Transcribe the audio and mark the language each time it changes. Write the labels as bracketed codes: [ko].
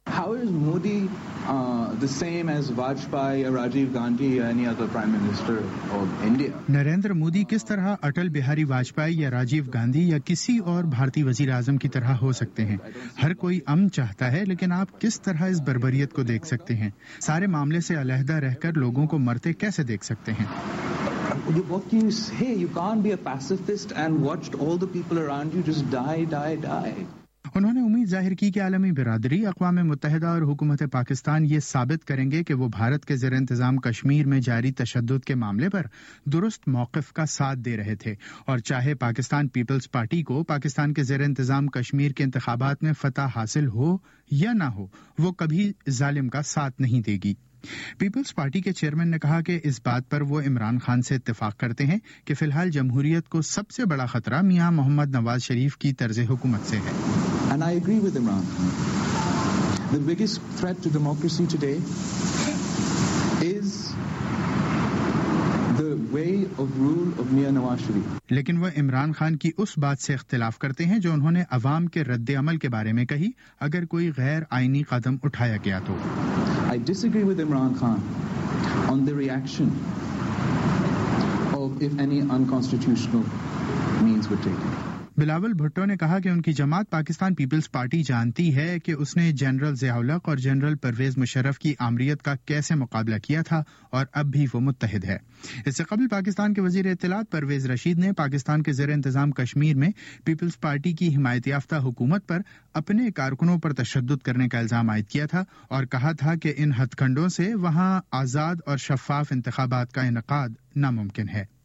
[en] How is Modi the same as Vajpayee اور راجیو گاندھی یا any other prime minister of India? [ur] Narendra Modi کس طرح اٹل بہاری واجپائی یا راجیو گاندھی یا کسی اور بھارتی وزیر اعظم کی طرح ہو سکتے ہیں؟ ہر کوئی امن چاہتا ہے, لیکن آپ کس طرح اس بربریت کو دیکھ سکتے ہیں؟ سارے معاملے سے علیحدہ رہ کر لوگوں کو مرتے کیسے دیکھ سکتے ہیں؟ [en] What can you say? You can't be a pacifist and watch all the people around you just die. [ur] انہوں نے امید ظاہر کی کہ عالمی برادری, اقوام متحدہ اور حکومت پاکستان یہ ثابت کریں گے کہ وہ بھارت کے زیر انتظام کشمیر میں جاری تشدد کے معاملے پر درست موقف کا ساتھ دے رہے تھے, اور چاہے پاکستان پیپلز پارٹی کو پاکستان کے زیر انتظام کشمیر کے انتخابات میں فتح حاصل ہو یا نہ ہو, وہ کبھی ظالم کا ساتھ نہیں دے گی. پیپلز پارٹی کے چیئرمین نے کہا کہ اس بات پر وہ عمران خان سے اتفاق کرتے ہیں کہ فی الحال جمہوریت کو سب سے بڑا خطرہ میاں محمد نواز شریف کی طرز حکومت سے ہے. [en] And I agree with Imran Khan. The biggest threat to democracy today is the way of rule of Mia Nawaz Sharif. [ur] لیکن وہ عمران خان کی اس بات سے اختلاف کرتے ہیں جو انہوں نے عوام کے رد عمل کے بارے میں کہی اگر کوئی غیر آئینی قدم اٹھایا گیا تو. [en] I disagree with Imran Khan on the reaction of if any unconstitutional means were taken. [ur] Bilawal Bhutto نے کہا کہ ان کی جماعت پاکستان پیپلز پارٹی جانتی ہے کہ اس نے جنرل ضیاء الحق اور جنرل پرویز مشرف کی آمریت کا کیسے مقابلہ کیا تھا, اور اب بھی وہ متحد ہے. اس سے قبل پاکستان کے وزیر اطلاعات پرویز رشید نے پاکستان کے زیر انتظام کشمیر میں پیپلز پارٹی کی حمایت یافتہ حکومت پر اپنے کارکنوں پر تشدد کرنے کا الزام عائد کیا تھا, اور کہا تھا کہ ان ہتھ کنڈوں سے وہاں آزاد اور شفاف انتخابات کا انعقاد ناممکن ہے.